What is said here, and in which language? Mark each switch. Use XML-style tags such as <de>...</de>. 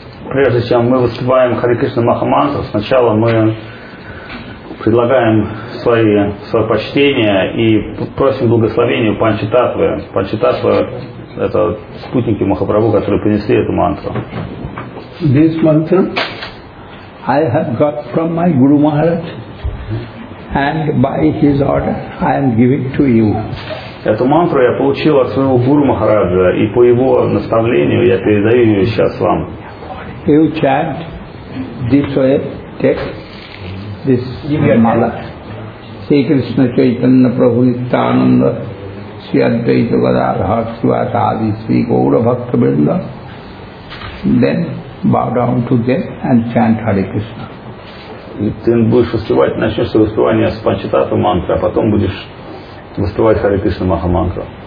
<ru>Прежде чем мы воспеваем Хари Кришна Махамантру, сначала мы предлагаем свои почтения и просим благословения у Панчататвы. Панчататва – это спутники Махапрабху, которые принесли эту мантру.</ru> <en>This mantra I have got from my Guru Maharaj. And by his order, I am giving to you.</en> <ru>Эту мантру я получил от своего Гуру Махараджа, и по его наставлению я передаю ее сейчас вам.</ru> <en>You chant this way, take this mala. Sri Krishna Chaitanya Prabhu Nityananda Sri Advaita Gadadhara Swatadi Sri Gaura Bhakta Vrinda. Then bow down to them and chant Hare Krishna.</en> <ru>И ты будешь воспевать, начнешь свое воспевание с Панчататва мантры, а потом будешь воспевать Хари Кришна Маха мантру.</ru>